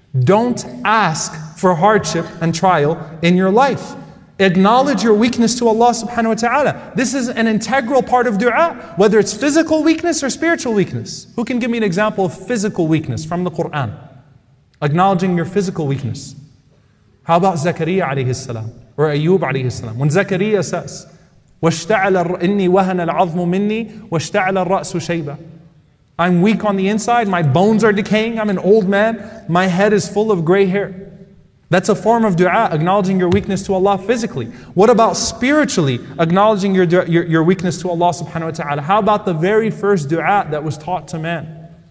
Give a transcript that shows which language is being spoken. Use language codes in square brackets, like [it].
[en] Don't ask for hardship and trial in your life. Acknowledge your weakness to Allah subhanahu wa ta'ala. This is an integral part of dua, whether it's physical weakness or spiritual weakness. Who can give me an example of physical weakness from the Quran? Acknowledging your physical weakness. How about Zakariya alayhi salam or Ayyub alayhi salam? When Zakariya says, [ar] وَاشْتَعَلَ إِنِّي وَهَنَ الْعَظْمُ مِنِّي وَاشْتَعَلَ الرَّأْسُ شَيْبًا. [en] I'm weak on the inside, my bones are decaying, I'm an old man, my head is full of gray hair. That's a form of dua, acknowledging your weakness to Allah physically. What about spiritually acknowledging your weakness to Allah subhanahu wa ta'ala? How about the very first dua that was taught to man?